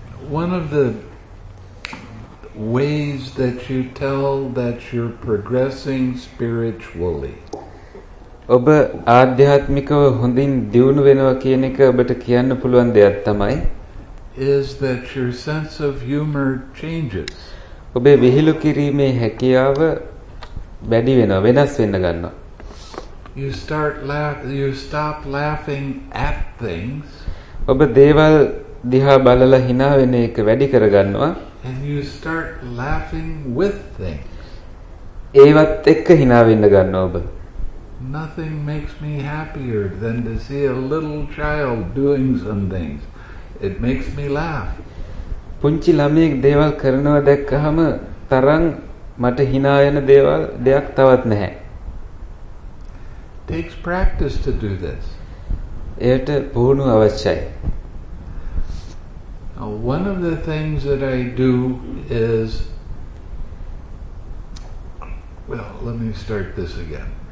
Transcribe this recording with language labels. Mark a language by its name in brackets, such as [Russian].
[English] One of the ways that you tell that you're progressing spiritually. [Sinhala] ඔබ ආධ්‍යාත්මිකව හොඳින් දියුණු වෙනවා කියන එක ඔබට කියන්න පුළුවන් දෙයක් තමයි. [English] Is that your sense of humor changes. [Sinhala] ඔබේ විහිළු කිරීමේ හැකියාව වැඩි වෙනවා, වෙනස් වෙන්න ගන්නවා. [English] You stop laughing at things. [Sinhala] ඔබ දේවල් දිහා බලලා hina වෙන එක වැඩි කර ගන්නවා. [English] And you start laughing with things. [Sinhala] ඒවත් එක්ක hina වෙන්න ගන්නවා ඔබ. [English] Nothing makes me happier than to see a little child doing some things. It makes me laugh. [Sinhala] පුංචි ළමෙක් දේවල් කරනවා දැක්කහම තරම් මට hina යන දේවල් දෙයක් තවත් නැහැ. [English] Takes practice to do this. [Sinhala] ඒට පුහුණු අවශ්‍යයි. [English] One of the things that I do is, well, let me start this again.